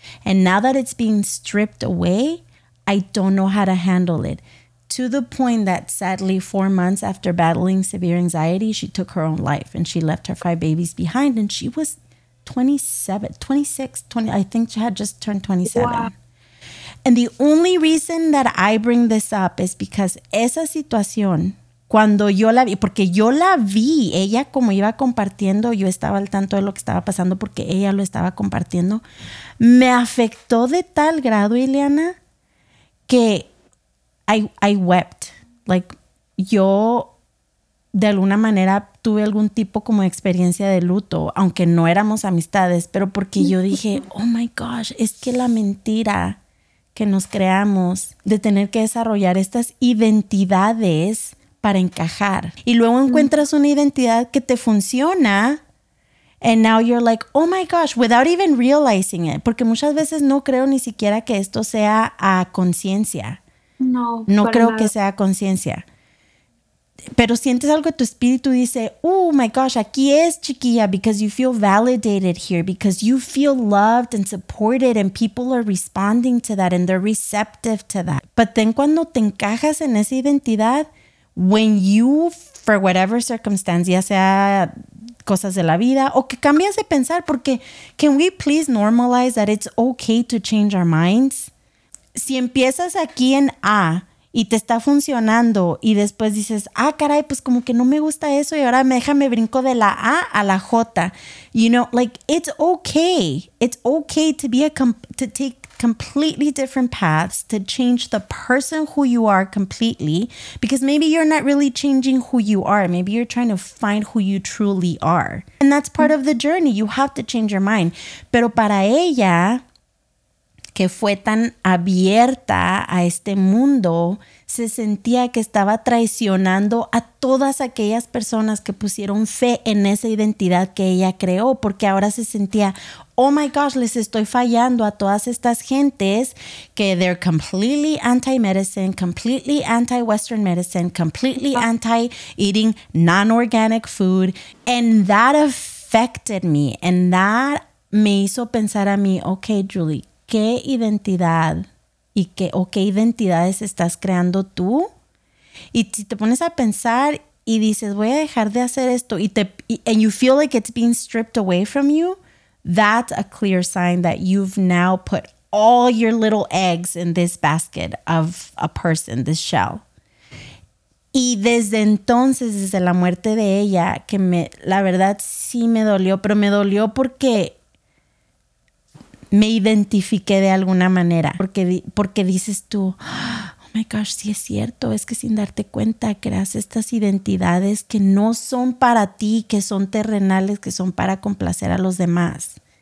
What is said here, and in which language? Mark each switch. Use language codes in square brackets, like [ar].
[en] And now that it's being stripped away, I don't know how to handle it. to the point that sadly 4 months after battling severe anxiety, she took her own life and she left her 5 babies behind. And she was 27, 26, 20. I think she had just turned 27. Wow. And the only reason that I bring this up is because [es] esa situación, cuando yo la vi, porque yo la vi, ella como iba compartiendo, yo estaba al tanto de lo que estaba pasando porque ella lo estaba compartiendo, me afectó de tal grado, Iliana, que [en] I wept. [es] Like, yo de alguna manera tuve algún tipo como de experiencia de luto, aunque no éramos amistades, pero porque yo dije, [en] oh my gosh, [es] es que la mentira que nos creamos de tener que desarrollar estas identidades para encajar. Y luego encuentras una identidad que te funciona. [en] And now you're like, oh my gosh, without even realizing it. [es] Porque muchas veces no creo ni siquiera que esto sea a conciencia. No. No creo que sea a conciencia. Pero sientes algo que tu espíritu dice, [en] oh my gosh, [es] aquí es chiquilla, [en] because you feel validated here, because you feel loved and supported and people are responding to that and they're receptive to that. But then [es] cuando te encajas en esa identidad, [en] when you, for whatever circumstance, [es] ya sea cosas de la vida o que cambias de pensar, porque [en] can we please normalize that it's okay to change our minds? [es] Si empiezas aquí en A y te está funcionando y después dices, ah, caray, pues como que no me gusta eso y ahora déjame brinco de la A a la J. [en] You know, like, it's okay. It's okay to be a to take completely different paths, to change the person who you are completely, because maybe you're not really changing who you are. Maybe you're trying to find who you truly are. And that's part of the journey. You have to change your mind. [es] Pero para ella, que fue tan abierta a este mundo, se sentía que estaba traicionando a todas aquellas personas que pusieron fe en esa identidad que ella creó, porque ahora se sentía, [en] oh my gosh, [es] les estoy fallando a todas estas gentes que [en] they're completely anti-medicine, completely anti-Western medicine, completely anti-eating non-organic food. And that affected me. And that [es] me hizo pensar a mí, okay, Julie, ¿qué identidad y qué o qué identidades estás creando tú? Y si te pones a pensar y dices, voy a dejar de hacer esto, [en] and you feel like it's being stripped away from you, that's a clear sign that you've now put all your little eggs in this basket of a person, this shell. [es] Y desde entonces, desde la muerte de ella, que me, la verdad sí me dolió, pero me dolió porque me identifiqué de alguna manera. Porque dices tú, [en] oh my gosh, [es] sí es cierto. Es que sin darte cuenta creas estas identidades que no son para ti, que son terrenales, que son para complacer a los demás.